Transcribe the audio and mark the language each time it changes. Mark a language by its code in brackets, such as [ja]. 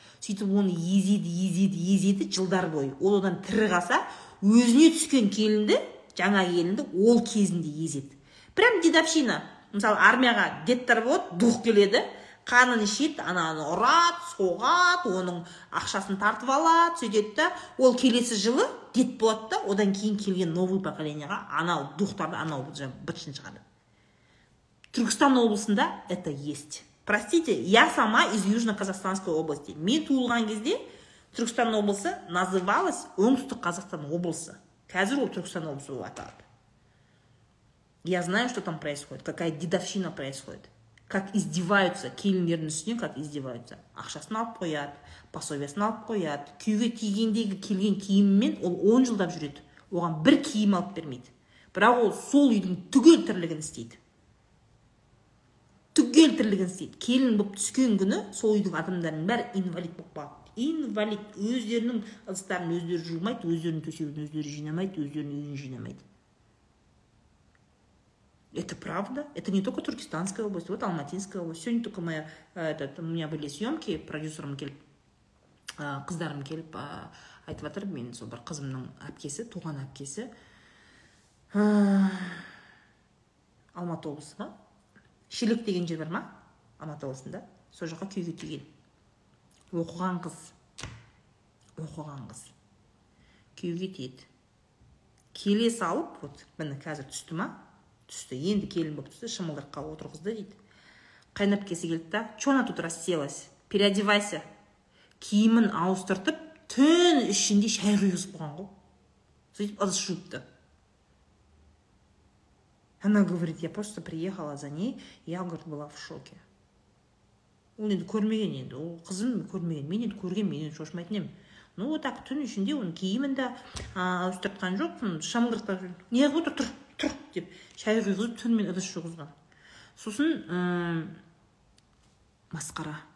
[kk] Сөйтіп оны езеді жылдар бойы. Ол одан тірі қалса, өзіне түскен келінді жаңа келінді ол кезінде езеді. [ru] Прям дедовщина. [kk] Мысалы, армияға деттер болады, дух келеді, қанын ішеді, ананы ұрады, соғады, оның ақшасын тартып алады, сөйтеді. Ол келесі жылы дет болады да, одан кейін келген новый поколенияға анау духтарды, анау бұтшын шығады. Түркістан облысында [ru] это есть. Простите, я сама из Южно-Казахстанской области. [kk] Мен туылған кезде Түркістан облысы [ru] называлась [kk] оңтүстік Қазақстан облысы. Қазір ол Түркістан облысы болып аталады. [ru] Я знаю, что там происходит, какая дедовщина происходит. Как издеваются келіндердің үстінен, как издеваются. [kk] Ақшасын алып қояды, пособиясын алып қояды. Күйге тигендегі келген киіммен ол 10 жылдап жүреді. Оған бір киім алып бермейді. Бірақ ол сол үйдің түгел тірлігін істейді. Түгел тірлігін істейді. Келін болып түскен күні сол үйдің адамдарының бәрі инвалид болып қалады. Инвалид өздерінің ыдыстарын өздері жумайды, өздерінің төсегін өздері жинамайды, өздерінің үйін жинамайды. [ru] Это правда. Это не только Туркестанская область, вот Алматинская область. Сегодня только моя, этот, у меня были съемки, [kk] продюсерам келіп, қыздарым келіп, айтып отыр, мен сол бір қызымның әпкесі, туған әпкесі. Алматы облысына. Шелек деген жер бар ма? Алматы облысында. Сол жаққа күйге тиген. Оқыған қыз. Күйге тиеді. Келе салып, вот, мені қазір түсті ма? Түсті, енді келін болып түсті, шымылдыққа отырғызды дейді. Қайнап кесі келді да, [ru] чона тут расселась, переодевайся. [kk] Киімін ауыстыртып, түн ішінде шай құйғызып болған ғой. Сөйтіп ыдыс жуыпты. [ru] Она говорит, я просто приехала за ней, я, говорит, была в шоке. [kk] Ол енді көрмеген енді, ол қызым көрмеген, мен енді көрген, мен енді шошымайтын едім. [ru] Ну вот так, [kk] түн ішінде оның киімін де ауыстыртқан жоқ, шымылдыққа неғып отыр, тұр. Деп шай құйғызып түнімен ыдыс жуғызған. Сосын масқара.